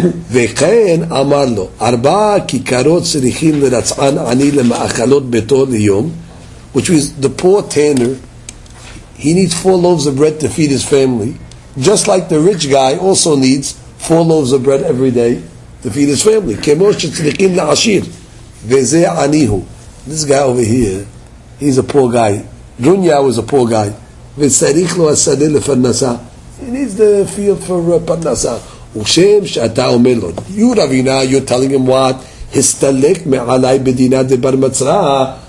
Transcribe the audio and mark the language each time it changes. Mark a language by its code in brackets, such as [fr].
[en] וכן אמר לו ארבע כיכרות צריכים לרצען עני למאכלות ביתו ליום, which means the poor tanner, he needs four loaves of bread to feed his family, just like the rich guy also needs four loaves of bread every day to feed his family. [he] כמו שצריכים לעשיר, וזה עני הוא. [en] This guy over here, he's a poor guy. Runya was a poor guy. וצריך לו השדה לפרנסה. He needs the field for parnasa. You, Ravina, you're telling him what? Histalek me'alai bedina de bar matzra.